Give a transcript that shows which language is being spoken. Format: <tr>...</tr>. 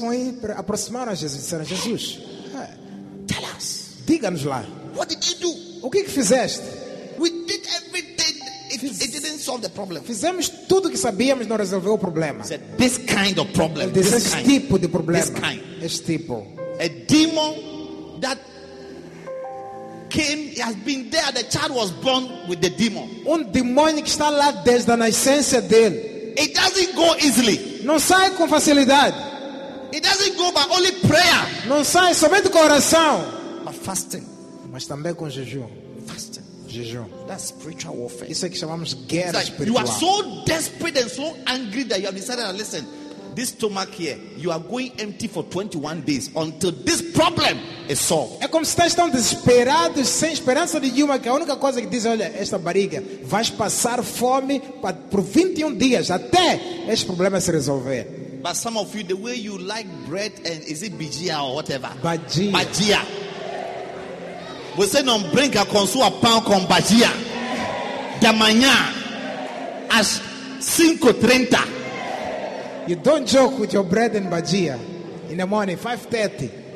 <pt>Quando estavam aí, aproximaram a Jesus e disseram, Jesus,</pt> <en>tell us.</en> <pt>Diga-nos lá.</pt> <en>What did you do?</en> <pt>O que fizeste?</pt> <en>We did everything. It didn't solve the problem.</en> <pt>Fizemos tudo que sabíamos, não resolveu o problema.</pt> <en>Said, this kind of problem.</en> <pt>Este tipo de problema.</pt> <en>This kind.</en> <pt>Este tipo.</pt> <en>A demon that came, he has been there, the child was born with the demon.</en> <pt>Demônio que está lá desde a nascença dele.</pt> <en>It doesn't go easily.</en> <pt>Não sai com facilidade.</pt> <en>It doesn't go by only prayer.</en> <pt>Não sai somente com oração.</pt> <en>But fasting.</en> <pt>Mas também com jejum.</pt> <en>Fasting.</en> <pt>jejum.</pt> <en>That's spiritual warfare.</en> <pt>Isso é que chamamos guerra espiritual.</pt> <en>You are so desperate and so angry that you have decided, listen, this stomach here, you are going empty for 21 days until this problem is solved.</en> <pt>É como se estás tão desesperado, sem esperança de uma, que a única coisa que diz, olha, esta barriga, vais passar fome por 21 dias até este problema se resolver.</pt> <en>But some of you, the way you like bread, and is it bajia or whatever? Bajia. Bajia. We say, non bring a consu a pão com bajia.</en> <pt>De manhã, às 5:30.</pt> <en>You don't joke with your bread and bajia in the morning, 5:30.</en>